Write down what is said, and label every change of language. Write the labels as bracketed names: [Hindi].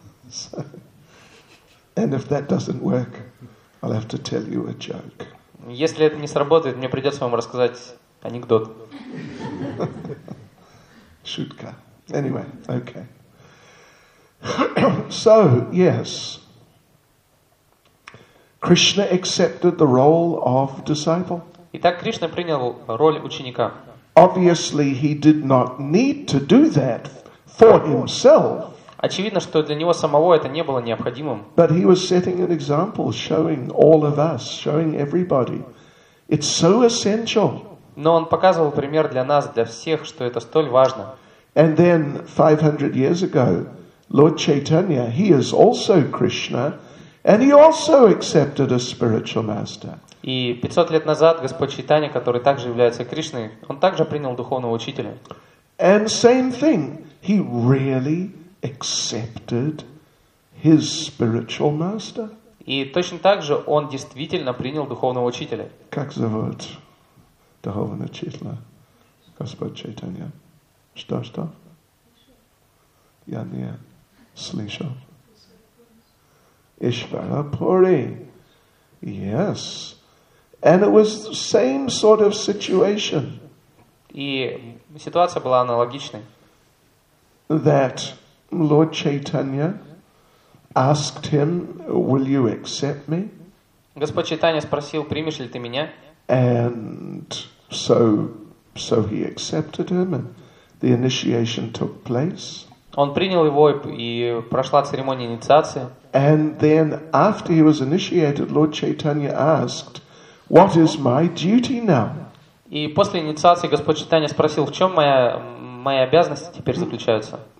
[English] So, and if that doesn't work, I'll have to tell you a joke. [Russian] Если это не сработает, мне придется вам рассказать анекдот. Шутка. [English] Anyway, okay. So, yes. Krishna accepted the role of disciple. [Russian] Итак, Кришна принял роль ученика. [English] Obviously, he did not need to do that for himself. [Russian] Очевидно, что для него самого это не было необходимым. [English] But he was setting an example, showing all of us, showing everybody. It's so essential. [Russian] Но он показывал пример для нас, для всех, что это столь важно. [English] And then 500 years ago, Lord Chaitanya, he is also Krishna, and he also accepted a spiritual master. [Russian] И 500 лет назад Господь Чайтанья, который также является Кришной, он также принял духовного учителя. [English] And same thing, he really accepted his spiritual master. [Russian] И точно так же он действительно принял духовного учителя. Как зовут духовного учителя? Господь Чайтанья. Что? Я не слышал. Ишвара Пури. [English] Yes. And it was the same sort of situation. [Russian] И ситуация была аналогичной. [English] That Lord Chaitanya asked him, "Will you accept me?" [Russian] Господь Чайтанья спросил, примешь ли ты меня? [English] And so he accepted him, and the initiation took place. [Russian] Он принял его и прошла церемония инициации. [English] And then after he was initiated, Lord Chaitanya asked, "What is my duty now?" [Russian] И после инициации Господь Чайтанья спросил, в чем моя мои обязанности теперь заключаются.